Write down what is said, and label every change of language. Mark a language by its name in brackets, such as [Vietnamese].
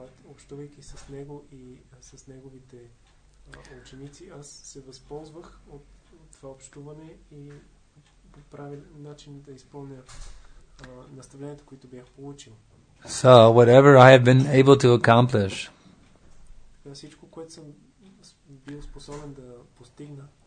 [Bulgarian] Общувайки с него и с неговите ученици, аз се възползвах от това общуване и по правил начин да изпълня наставленията, които бях получил. [English] So, whatever I have been able to accomplish, [Bulgarian] всичко, което съм бил способен да постигна,